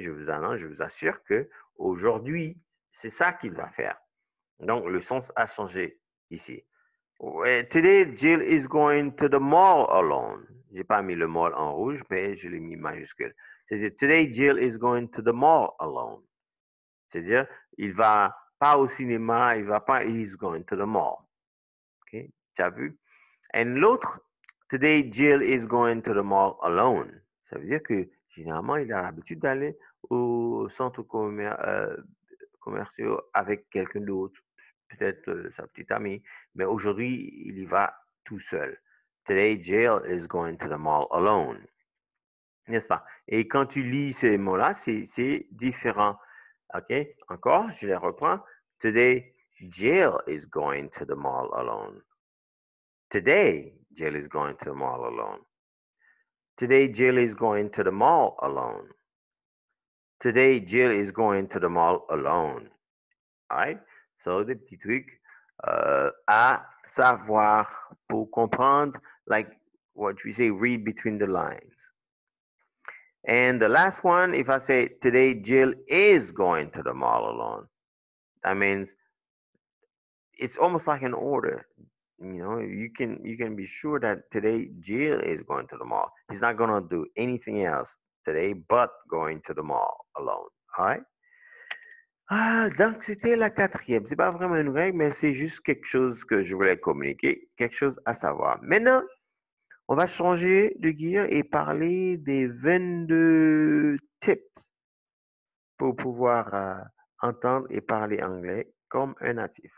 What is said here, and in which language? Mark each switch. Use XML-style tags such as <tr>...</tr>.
<fr>Je vous annonce, je vous assure qu'aujourd'hui, c'est ça qu'il va faire. Donc, le sens a changé ici.</fr> <en>Today, Jill is going to the mall alone.</en> <fr>Je n'ai pas mis le mall en rouge, mais je l'ai mis majuscule. C'est-à-dire,</fr> <en>today, Jill is going to the mall alone.</en> <fr>C'est-à-dire, il ne va pas au cinéma, il ne va pas,</fr> <en>he's going to the mall.</en> <fr>Okay? Tu as vu? Et l'autre,</fr> <en>today, Jill is going to the mall alone.</en> <fr>Ça veut dire que, généralement, il a l'habitude d'aller au centre commercial avec quelqu'un d'autre, peut-être sa petite amie. Mais aujourd'hui, il y va tout seul.</fr> <en>Today, Jill is going to the mall alone.</en> <fr>N'est-ce pas? Et quand tu lis ces mots-là, c'est différent. OK? Encore, je les reprends.</fr> <en>Today, Jill is going to the mall alone. Today, Jill is going to the mall alone. Today, Jill is going to the mall alone. Today, Jill is going to the mall alone. All right? So,</en> <fr>des petits trucs à savoir pour comprendre,</fr> <en>like what we say, read between the lines. And the last one, if I say, today, Jill is going to the mall alone, that means it's almost like an order. You know, you can be sure that today Jill is going to the mall. He's not going to do anything else today but going to the mall alone.</en> <fr>All right? Ah, donc, c'était la quatrième. C'est pas vraiment une règle, mais c'est juste quelque chose que je voulais communiquer, quelque chose à savoir. Maintenant, on va changer de gear et parler des 22 tips pour pouvoir entendre et parler anglais comme un natif.</fr>